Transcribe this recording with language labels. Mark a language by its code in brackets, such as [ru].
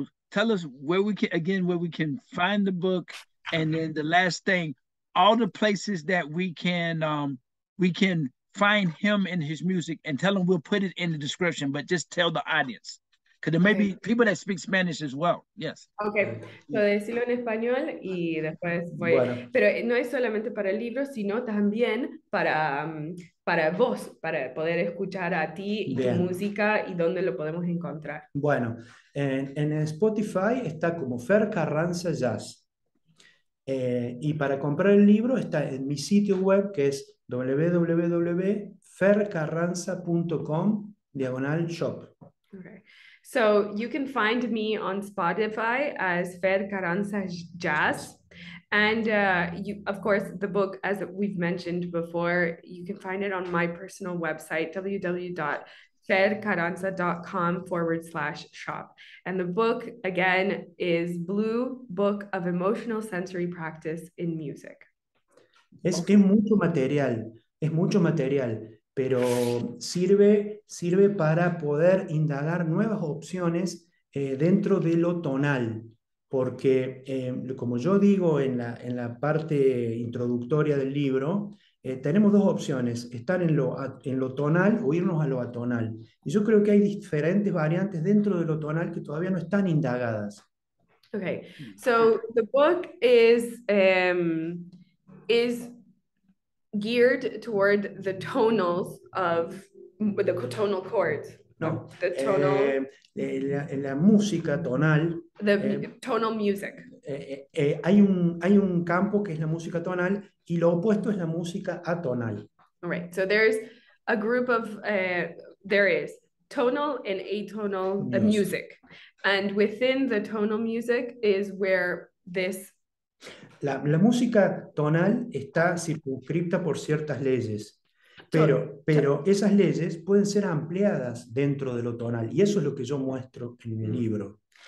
[en] Tell us where we can find the book, and then the last thing, all the places that we can find him and his music, and tell them we'll put it in the description, but just tell the audience. Because there may be people that speak Spanish as well. Yes. Okay. So, [es] decirlo en español y después voy. Bueno. Pero no es solamente para el libro, sino también para vos, para poder escuchar a ti y bien. Tu música y dónde lo podemos encontrar. Bueno, en Spotify está como Fer Carranza Jazz. Y para comprar el libro está en mi sitio web, que es www.fercarranza.com/shop. [en] Okay. So you can find me on Spotify as Fer Carranza Jazz. And you, of course, the book, as we've mentioned before, you can find it on my personal website, www.fercarranza.com/shop. And the book, again, is Blue Book of Emotional Sensory Practice in Music. [es] Es que es mucho material. Pero sirve para poder indagar nuevas opciones dentro de lo tonal. porque como yo digo en la parte introductoria del libro, tenemos dos opciones, estar en lo tonal o irnos a lo atonal. Y yo creo que hay diferentes variantes dentro de lo tonal que todavía no están indagadas. [en] Okay, so the book is geared toward the tonals of the tonal chords. [es] No, [en] the tonal, [es] la música tonal. [en] The tonal music. [es] Hay un campo que es la música tonal y lo opuesto es la música atonal. [en] All right, so there's a group of there is tonal and atonal music. And within the tonal music is where this... [es] La música tonal está circunscripta por ciertas leyes, pero esas leyes pueden ser ampliadas dentro de lo tonal, y eso es lo que yo muestro en el libro.